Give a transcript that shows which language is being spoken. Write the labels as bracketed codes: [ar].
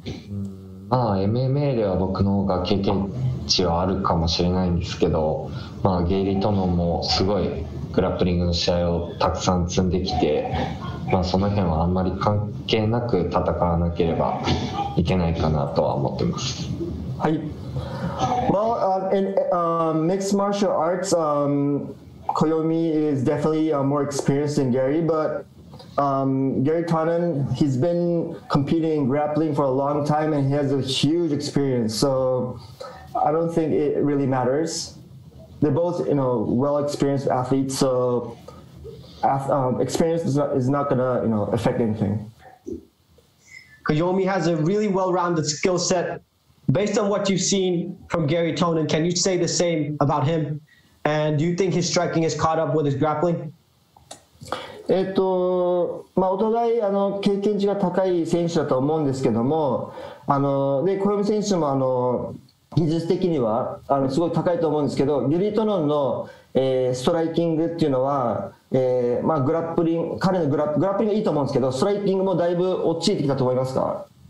[ja] MMA では僕の方が経験値はあるかもしれないんですけど、ゲイリー・トノンもすごいグラップリングの試合をたくさん積んできて、その辺はあんまり関係なく戦わなければいけないかなとは思ってます。はい。 [en] Well, in mixed martial arts, Koyomi is definitely more experienced than Gary, but Gary Tonin, he's been competing in grappling for a long time and he has a huge experience, so I don't think it really matters. They're both, well-experienced athletes, so experience is not going to, affect anything. Koyomi has a really well-rounded skill set. Based on what you've seen from Gary Tonin, can you say the same about him? And do you think his striking has caught up with his grappling? [ja] お互い経験値が高い選手だと思うんですけども、で小山選手も技術的にはすごい高いと思うんですけど、ギリートノンの、ストライキングっていうのは、グラップリング、彼のグラップリングがいいと思うんですけど、ストライキングもだいぶ落ちてきたと思いますか？